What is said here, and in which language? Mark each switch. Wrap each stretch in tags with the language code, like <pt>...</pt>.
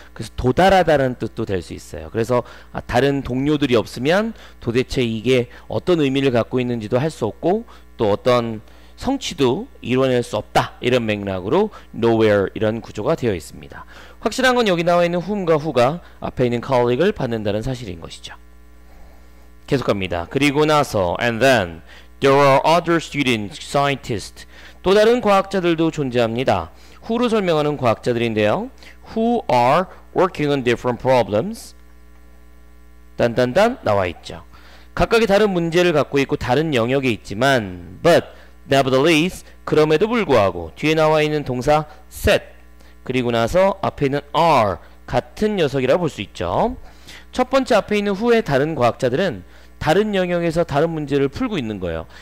<ko>그래서 도달하다라는 뜻도 될 수 있어요. 그래서 다른 동료들이 없으면 도대체 이게 어떤 의미를 갖고 있는지도 할 수 없고 또 어떤 성취도 이뤄낼 수 없다 이런 맥락으로 nowhere 이런 구조가 되어 있습니다. 확실한 건 여기 나와 있는 whom과 who가 앞에 있는 colleague을 받는다는 사실인 것이죠. 계속합니다. 그리고 나서</ko> <en>and then there are other students, scientists,</en> <ko>또 다른 과학자들도 존재합니다. who로 설명하는 과학자들인데요.</ko> <en>who are working on different problems</en> <ko>단단단 나와 있죠. 각각의 다른 문제를 갖고 있고 다른 영역에 있지만</ko> <en>but nevertheless,</en> <ko>그럼에도 불구하고 뒤에 나와 있는 동사 set 그리고 나서 앞에 있는 are 같은 녀석이라 볼 수 있죠. 첫 번째 앞에 있는 후의 다른 과학자들은 다른 영역에서 다른 문제를 풀고 있는 거예요.</ko>